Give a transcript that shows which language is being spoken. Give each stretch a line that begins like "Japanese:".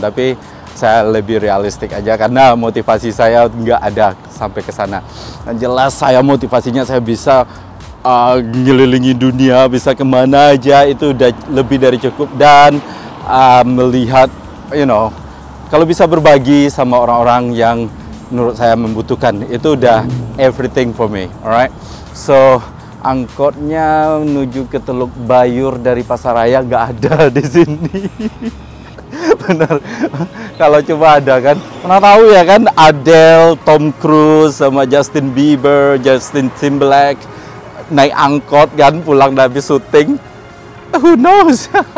Indonesian: Tapi saya lebih realistik aja karena motivasi saya nggak ada sampai ke sana. Dan jelas saya motivasinya saya bisa ngelilingi dunia, bisa kemana aja. Itu udah lebih dari cukup. Dan melihat,
English: you know,
Indonesian: kalau bisa berbagi sama orang-orang yang menurut saya membutuhkan. Itu udah
English: everything for me, alright?
Indonesian: So, angkotnya menuju ke Teluk Bayur dari Pasaraya nggak ada di sini. Benar. Kalau cuma ada kan, pernah tahu ya kan, Adele, Tom Cruise, sama Justin Bieber, Justin Timberlake naik angkot kan pulang dari syuting.
English: Who knows?